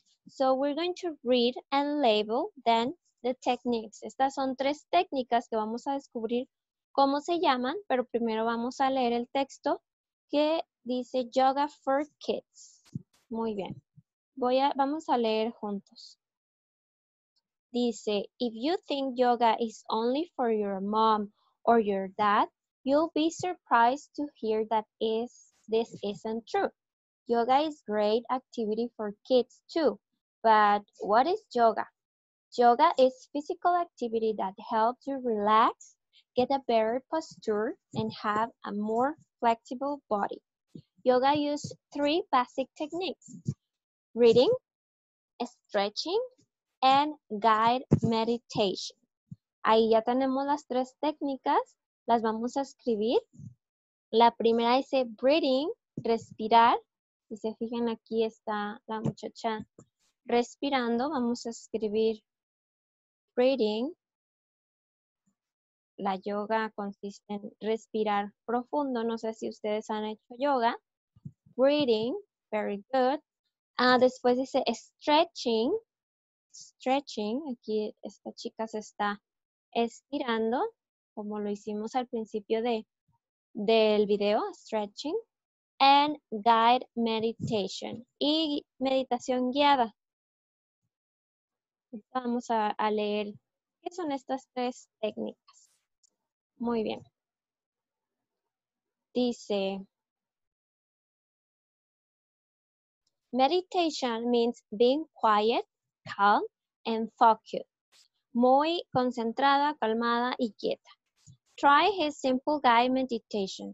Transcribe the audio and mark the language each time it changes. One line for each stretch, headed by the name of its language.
English: So we're going to read and label then the techniques.
Spanish: Estas son tres técnicas que vamos a descubrir cómo se llaman, pero primero vamos a leer el texto que dice Yoga for Kids. Muy bien. Vamos a leer juntos.
English: Dice, if you think yoga is only for your mom or your dad, you'll be surprised to hear that this isn't true. Yoga is great activity for kids too. But what is yoga? Yoga is physical activity that helps you relax, get a better posture, and have a more flexible body. Yoga uses three basic techniques: breathing, stretching, and guided meditation.
Spanish: Ahí ya tenemos las tres técnicas, las vamos a escribir. La primera dice breathing, respirar. Si se fijan, aquí está la muchacha respirando. Vamos a escribir breathing. La yoga consiste en respirar profundo. No sé si ustedes han hecho yoga.
English: Breathing, very good.
Spanish: Después dice stretching, stretching. Aquí esta chica se está estirando, como lo hicimos al principio del video, stretching.
English: And guided meditation,
Spanish: y meditación guiada. Vamos a leer qué son estas tres técnicas. Muy bien.
English: Dice, meditation means being quiet, calm, and focused.
Spanish: Muy concentrada, calmada, y quieta.
English: Try his simple guided meditation.